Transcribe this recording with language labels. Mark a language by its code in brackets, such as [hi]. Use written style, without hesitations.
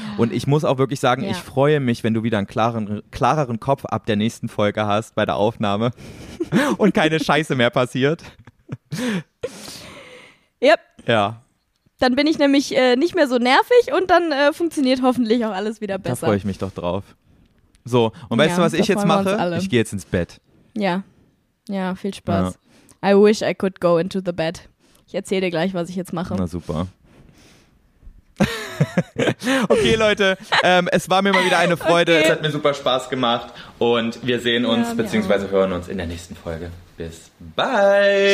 [de] Und ich muss auch wirklich sagen, ich freue mich, wenn du wieder einen klareren Kopf ab der nächsten Folge hast bei der Aufnahme und keine Scheiße mehr passiert. [en] Yep. [de] Ja. Dann bin ich nämlich nicht mehr so nervig und dann funktioniert hoffentlich auch alles wieder besser. Da freue ich mich doch drauf. So, und weißt du, was ich jetzt mache? Ich gehe jetzt ins Bett. Ja. Ja, viel Spaß. Ja. [en] I wish I could go into the bed. [de] Ich erzähle dir gleich, was ich jetzt mache. Na super. Okay, Leute, es war mir mal wieder eine Freude. Okay. Es hat mir super Spaß gemacht und wir sehen uns, beziehungsweise hören uns in der nächsten Folge. Bis bald.